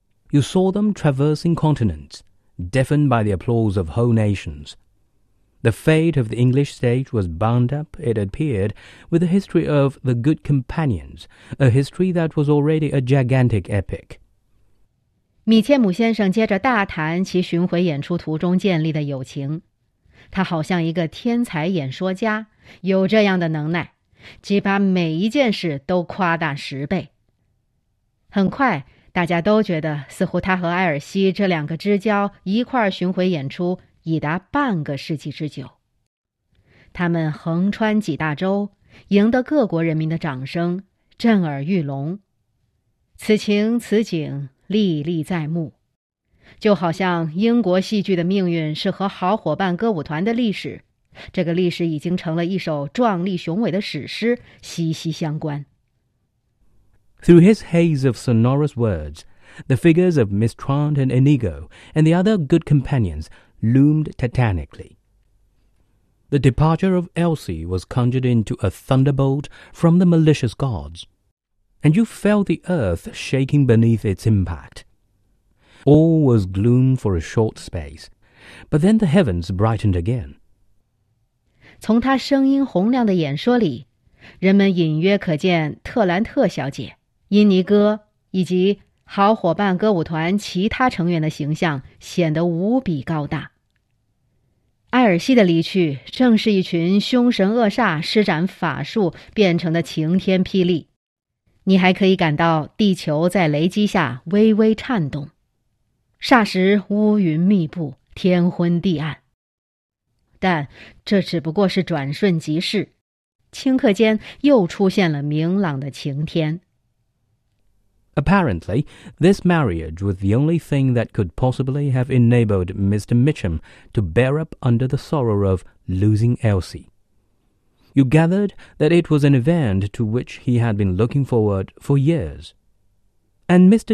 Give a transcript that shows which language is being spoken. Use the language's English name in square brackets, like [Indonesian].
[English] You saw them traversing continents, deafened by the applause of whole nations. The fate of the English stage was bound up, it appeared, with the history of the Good Companions, a history that was already a gigantic epic. [Chinese] 米切姆先生接着大谈其巡回演出途中建立的友情。他好像一个天才演说家，有这样的能耐，即把每一件事都夸大10倍。很快，大家都觉得似乎他和艾尔西这两个知交一块儿巡回演出已达半个世纪之久。他们横穿几大洲，赢得各国人民的掌声，震耳欲聋。此情此景历历在目，就好像英国戏剧的命运是和好伙伴歌舞团的历史，这个历史已经成了一首壮丽雄伟的史诗息息相关。 [English] Through his haze of sonorous words, the figures of Miss Trant and Inigo and the other good companionsloomed titanically. The departure of Elsie was conjured into a thunderbolt from the malicious gods, and you felt the earth shaking beneath its impact. All was gloom for a short space, but then the heavens brightened again. [Chinese] 从他声音洪亮的演说里，人们隐约可见特兰特小姐、因尼哥以及好伙伴歌舞团其他成员的形象显得无比高大。艾尔西的离去正是一群凶神恶煞施展法术变成的晴天霹雳，你还可以感到地球在雷击下微微颤动，霎时乌云密布，天昏地暗。但这只不过是转瞬即逝，顷刻间又出现了明朗的晴天。 [English] Apparently, this marriage was the only thing that could possibly have enabled Mr. Mitchum to bear up under the sorrow of losing Elsie. You gathered that it was an event to which he had been looking forward for years. And Mr.